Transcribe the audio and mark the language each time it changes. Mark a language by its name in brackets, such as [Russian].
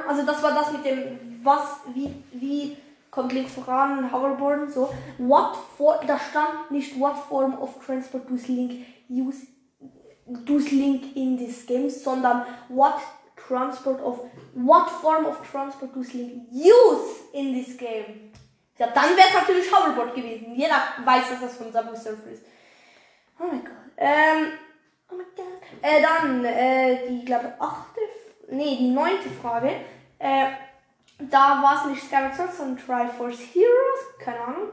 [German] Also das war das mit dem was, wie. Kommt links voran, Hoverboard und so. [English] What for, [German] da stand nicht [English] what form of transport does Link in this game, [German] sondern [English] what form of transport does Link use in this game. [German] Ja, dann wäre es natürlich Hoverboard gewesen. Jeder weiß, dass das von Subway Surfer ist. Oh mein Gott. Die neunte Frage. Da war es nicht Skyward Sword, sondern Triforce Heroes. Keine Ahnung.